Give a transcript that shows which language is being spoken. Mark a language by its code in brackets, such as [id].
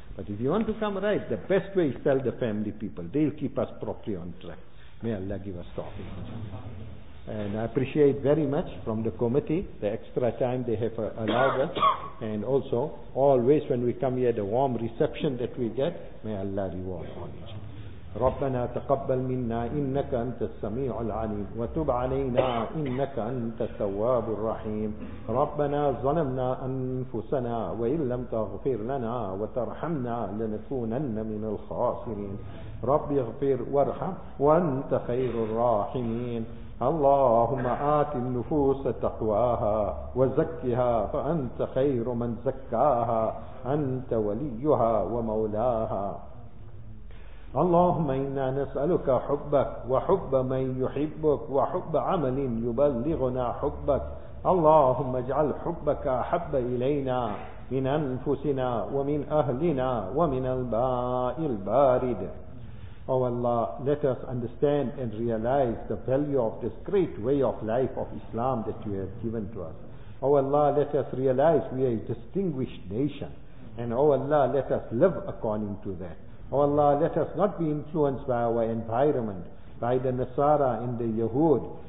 [en] But if you want to come right, the best way is tell the family people. They'll keep us properly on track. May Allah give us tawfiq. And I appreciate very much from the committee, the extra time they have allowed us. And also, always when we come here, the warm reception that we get, may Allah reward all each. [ar] ربنا تقبل منا إنك أنت السميع العليم وتب علينا إنك أنت التواب الرحيم ربنا ظلمنا أنفسنا وإن لم تغفر لنا وترحمنا لنكونن من الخاسرين رب اغفر وارحم وأنت خير الراحمين اللهم آت النفوس تقواها وزكها فأنت خير من زكاها أنت وليها ومولاها اللهم إنا نسألك حبك وحب من يحبك وحب عمل يبلغنا حبك اللهم اجعل حبك أحب إلينا من أنفسنا ومن أهلنا ومن الماء البارد. [en] Oh Allah, let us understand and realize the value of this great way of life of Islam that you have given to us. Oh Allah, let us realize we are a distinguished nation. And oh Allah, let us live according to that. Oh Allah, let us not be influenced by our environment, by the Nasara and the Yahud.